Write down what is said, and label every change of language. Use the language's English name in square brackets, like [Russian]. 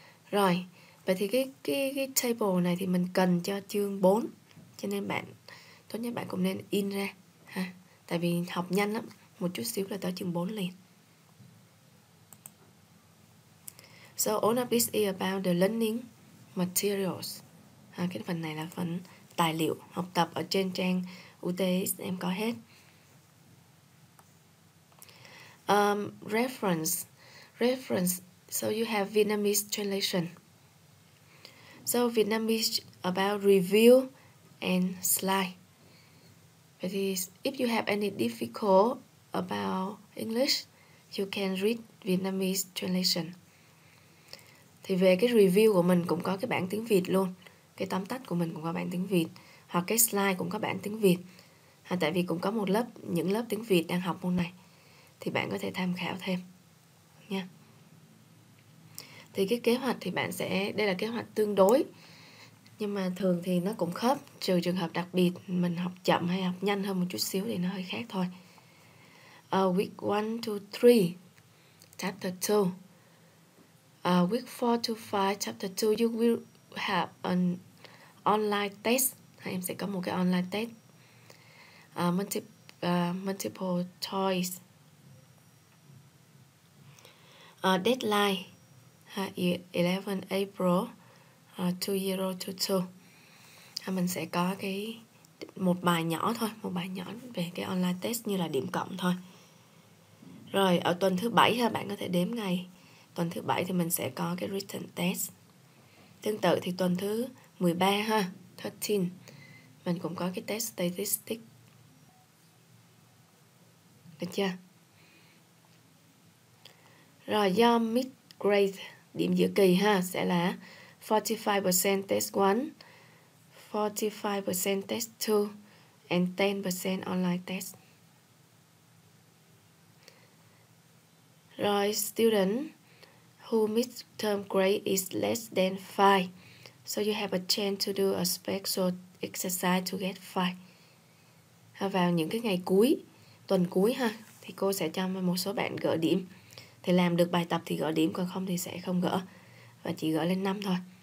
[Vietnamese] Rồi, vậy thì cái table này thì mình cần cho chương 4. Cho nên bạn, tốt nhất bạn cũng nên in ra ha. Tại vì học nhanh lắm, một chút xíu là tới chương 4 liền. [English] So all of this is about the learning materials. [Vietnamese] Cái phần này là phần tài liệu học tập ở trên trang UTX em có hết. [English] Reference. So you have Vietnamese translation. So Vietnamese about review and slide. But if you have any difficult about English, you can read Vietnamese translation. [Vietnamese] Thì về cái review của mình cũng có cái bản tiếng Việt luôn. Cái tóm tắt của mình cũng có bản tiếng Việt. Hoặc cái slide cũng có bản tiếng Việt. Tại vì cũng có một lớp, những lớp tiếng Việt đang học môn này. Thì bạn có thể tham khảo thêm nha. Thì cái kế hoạch thì bạn sẽ, đây là kế hoạch tương đối, nhưng mà thường thì nó cũng khớp, trừ trường hợp đặc biệt mình học chậm hay học nhanh hơn một chút xíu thì nó hơi khác thôi. [English] Week 1 to 3, chapter 2. Week 4 to 5, chapter 2, you will have an online test. [Vietnamese] Em sẽ có một cái online test. [English] Multiple choice. Deadline 11 April 2022. [Vietnamese] Mình sẽ có cái một bài nhỏ thôi, một bài nhỏ về cái online test như là điểm cộng thôi. Rồi ở tuần thứ 7 ha, bạn có thể đếm ngày. Tuần thứ 7 thì mình sẽ có cái written test. Tương tự thì tuần thứ 13 ha, 13, mình cũng có cái test statistic. Được chưa? Rồi do mid grade điểm giữa kỳ ha sẽ là 45% test 1, 45% test 2 [English] and 10% online test. Rồi student who midterm grade is less than 5. So you have a chance to do a special exercise to get 5. [Vietnamese] Ha, vào những cái ngày cuối, tuần cuối ha, thì cô sẽ cho một số bạn gỡ điểm. Thì làm được bài tập thì gỡ điểm, còn không thì sẽ không gỡ. Và chỉ gỡ lên 5 thôi.